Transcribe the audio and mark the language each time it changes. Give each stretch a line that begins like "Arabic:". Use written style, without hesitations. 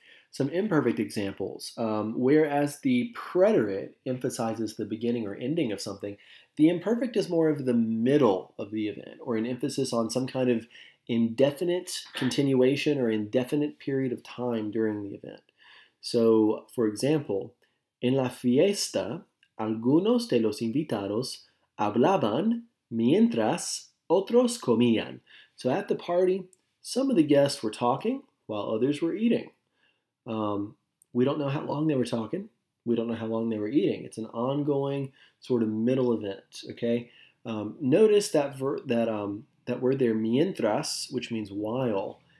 English: Some imperfect examples. Whereas the preterite emphasizes the beginning or ending of something, the imperfect is more of the middle of the event or an emphasis on some kind of indefinite continuation or indefinite period of time during the event. So, for example,
Spanish: en la fiesta, algunos de los invitados hablaban mientras otros comían.
English: So at the party, some of the guests were talking while others were eating. We don't know how long they were talking. We don't know how long they were eating. It's an ongoing sort of middle event, okay? Notice that word there, mientras, which means while,